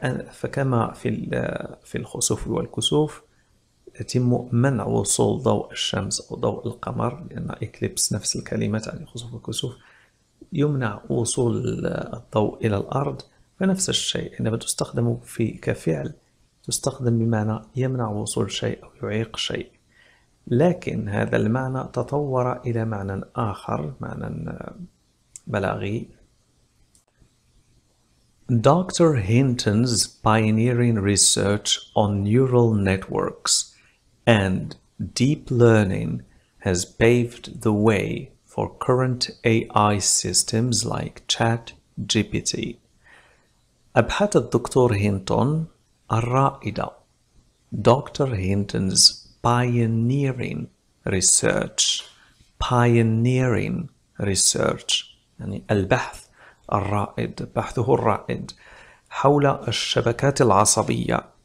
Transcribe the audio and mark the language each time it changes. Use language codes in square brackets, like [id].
[ar] فكما في الخسوف والكسوف يتم منع وصول ضوء الشمس أو ضوء القمر, لأن إكليبس نفس الكلمة يعني خسوف وكسوف, يمنع وصول الضوء إلى الأرض. فنفس الشيء عندما تستخدم في كفعل تستخدم بمعنى يمنع وصول شيء أو يعيق شيء. لكن هذا المعنى تطور إلى معنى آخر, معنى بلاغي. [en] Dr. Hinton's pioneering research on neural networks and deep learning has paved the way for current AI systems like ChatGPT. [ar] أبحاث الدكتور هينتون الرائدة. [en] Dr. Hinton's pioneering research. Pioneering research. [ar] يعني البحث الرائد, بحثه الرائد حول الشبكات العصبية,